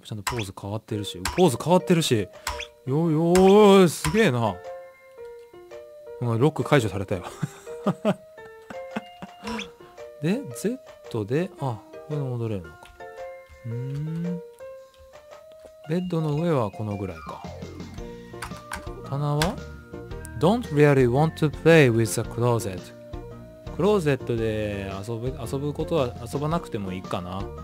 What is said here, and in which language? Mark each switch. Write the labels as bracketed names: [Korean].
[Japanese] ちゃんとポーズ変わってるし、ポーズ変わってるし、よーよーすげえな。ロック解除されたよで Z で、あ、これ戻れるのか。ベッドの上はこのぐらいか。棚は [English] Don't really want to play with the closet。 [Japanese] クローゼットで遊ぶことは、遊ばなくてもいいかな。